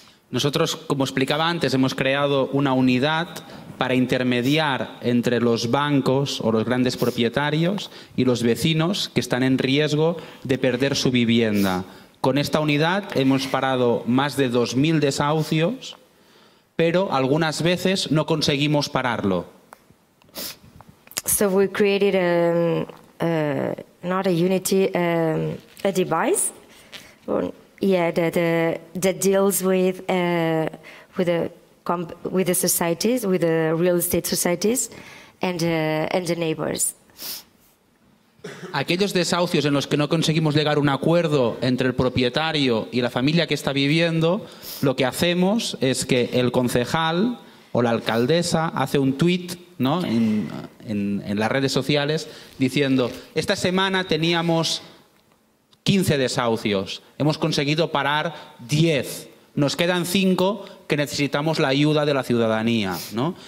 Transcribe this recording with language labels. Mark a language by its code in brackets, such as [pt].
[es] Nosotros, como explicaba antes, hemos creado una unidad para intermediar entre los bancos o los grandes propietarios y los vecinos que están en riesgo de perder su vivienda. Con esta unidad hemos parado más de 2.000 desahucios, pero algunas veces no conseguimos pararlo. [en] So we created a device, that deals with the societies, with the real estate societies, and the neighbors. [es] Aquellos desahucios en los que no conseguimos llegar a un acuerdo entre el propietario y la familia que está viviendo, lo que hacemos es que el concejal o la alcaldesa hace un tweet, ¿no?, en las redes sociales diciendo: esta semana teníamos 15 desahucios, hemos conseguido parar 10, nos quedan 5 que necesitamos la ayuda de la ciudadanía, ¿no?